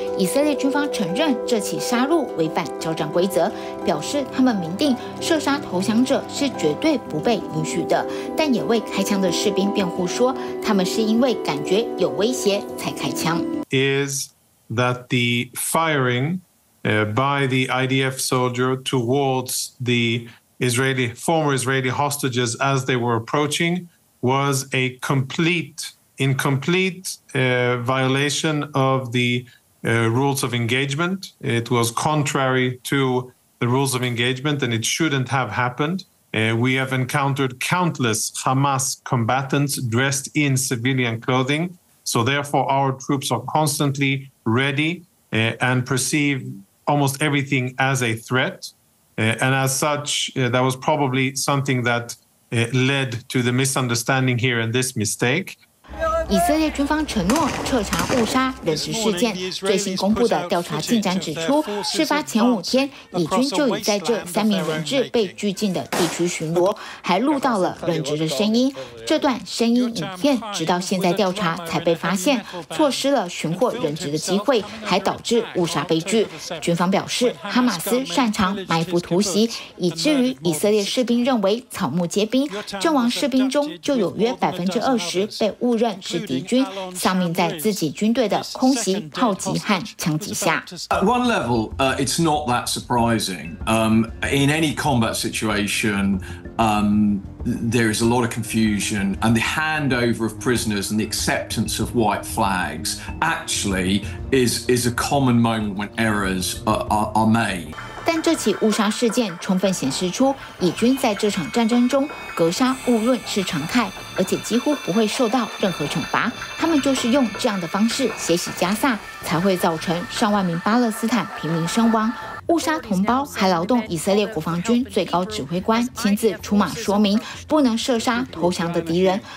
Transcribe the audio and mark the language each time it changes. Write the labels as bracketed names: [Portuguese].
[Chinese] 以色列军方承认这起杀戮违反交战规则，表示他们明定射杀投降者是绝对不被允许的，但也为开枪的士兵辩护说，他们是因为感觉有威胁才开枪。 [English] Is that the firing? By the IDF soldier towards the Israeli, former Israeli hostages as they were approaching was a incomplete violation of the rules of engagement. It was contrary to the rules of engagement and it shouldn't have happened. We have encountered countless Hamas combatants dressed in civilian clothing. So therefore our troops are constantly ready and perceive... almost everything as a threat. And as such, that was probably something that led to the misunderstanding here and this mistake. [Chinese] 以色列军方承诺彻查误杀人质事件，最新公布的调查进展指出，事发前5天，以军就已在这三名人质被拘禁的地区巡逻，还录到了人质的声音。这段声音影片直到现在调查才被发现，错失了寻获人质的机会，还导致误杀悲剧。军方表示，哈马斯擅长埋伏突袭，以至于以色列士兵认为草木皆兵，阵亡士兵中就有约20%被误认是敌军，丧命在自己军队的空袭、炮击和枪击下。 [English] At one level, it's not that surprising. In any combat situation, there is a lot of confusion, and the handover of prisoners and the acceptance of white flags actually is a common moment when errors are made. [Chinese] 但这起误杀事件充分显示出，以军在这场战争中格杀勿论是常态，而且几乎不会受到任何惩罚。他们就是用这样的方式血洗加萨，才会造成上万名巴勒斯坦平民身亡。误杀同胞还劳动以色列国防军最高指挥官亲自出马说明，不能射杀投降的敌人。